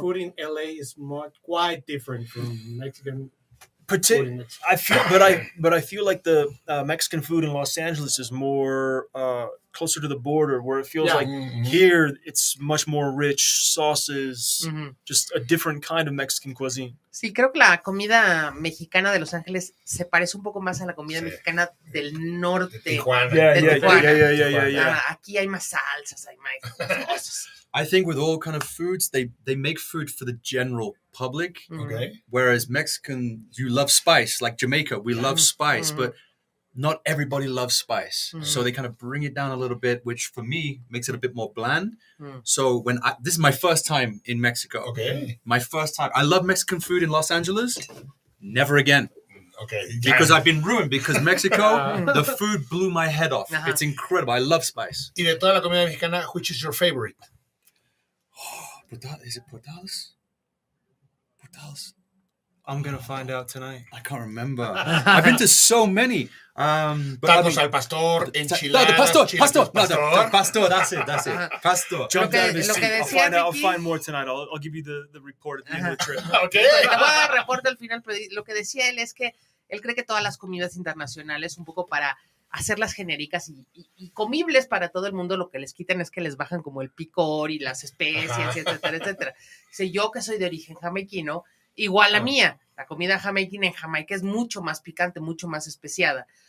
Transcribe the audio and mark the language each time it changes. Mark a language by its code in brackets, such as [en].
[en] Food in LA is quite different from Mexican. I feel like the Mexican food in Los Angeles is more closer to the border, where it feels here it's much more rich sauces, just a different kind of Mexican cuisine. [es] Sí, creo que la comida mexicana de Los Ángeles se parece un poco más a la comida mexicana del norte. De Tijuana. [en] Yeah. [es] Aquí hay más salsas, hay más cosas. [en] I think with all kind of foods, they make food for the general public. Okay. Whereas Mexican, you love spice, like Jamaica, we love spice, but not everybody loves spice. Mm. So they kind of bring it down a little bit, which for me makes it a bit more bland. Mm. So when this is my first time in Mexico. Okay. My first time. I love Mexican food in Los Angeles. Never again. Okay. Because I've been ruined because Mexico, the food blew my head off. Uh-huh. It's incredible. I love spice. [es] Y de toda la comida mexicana, [en] which is your favorite? Is it portales? Else? I'm gonna find out tonight. I can't remember. I've been to so many. But tacos al pastor, enchiladas. No, the pastor. That's it. Pastor. Jump down the street. I'll find more tonight. I'll give you the report at the end of the trip. Okay. [es] Te voy a dar report al final. Lo que decía él es que él cree que todas las comidas internacionales un poco para hacerlas genéricas y comibles para todo el mundo, lo que les quitan es que les bajan como el picor y las especias, etcétera, etcétera. Sé yo que soy de origen jamaiquino, igual la mía, la comida jamaiquina en Jamaica es mucho más picante, mucho más especiada.